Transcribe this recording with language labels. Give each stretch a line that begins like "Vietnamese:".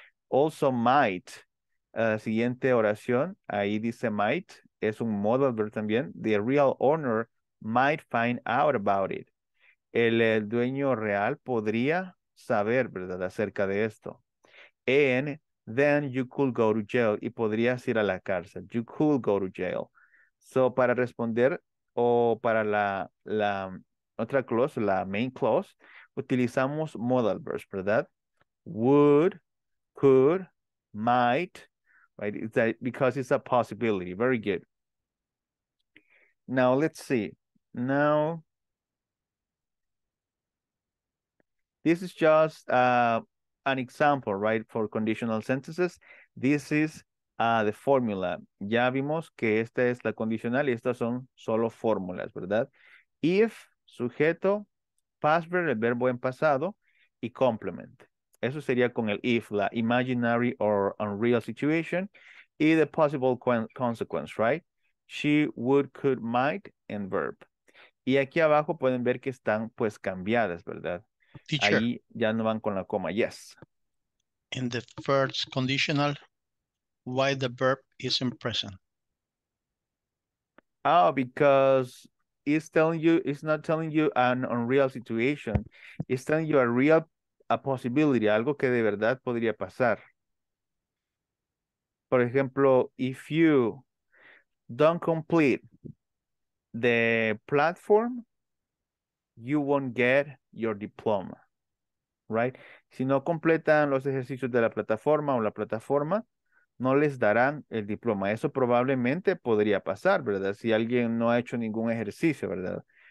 Spanish: Also might, siguiente oración, ahí dice might, es un modal verb también.
English: The real owner might find out about it.
Spanish: El dueño real podría saber, ¿verdad?, acerca de esto.
English: And then you could go to jail,
Spanish: y podrías ir a la cárcel.
English: You could go to jail. So,
Spanish: para responder, o para la otra
English: clause, la main clause, utilizamos modal verbs,
Spanish: ¿verdad?
English: Would, could, might, right? It's because it's a possibility. Very good. Now, let's see. Now, this is just an example, right, for conditional sentences. This is the formula.
Spanish: Ya vimos que esta es la condicional y estas son solo fórmulas, ¿verdad? If, sujeto,
English: past verb,
Spanish: el verbo en pasado, y complement. Eso sería con el
English: if, la imaginary or unreal situation, y the possible consequence, right? She would, could, might, and verb.
Spanish: Y aquí abajo pueden ver que están, pues, cambiadas, ¿verdad?
English: Teacher.
Spanish: Ahí ya no van con la coma.
English: Yes. In the first conditional, why the verb is in present? Oh, because it's not telling you an unreal situation. It's telling you a possibility,
Spanish: algo que de verdad podría pasar. Por ejemplo,
English: if you don't complete the platform, you won't get your diploma, right?
Spanish: Si no completan los ejercicios de la plataforma o la plataforma, no les darán el diploma. Eso probablemente podría pasar, ¿verdad? Si alguien no ha hecho ningún ejercicio, ¿verdad?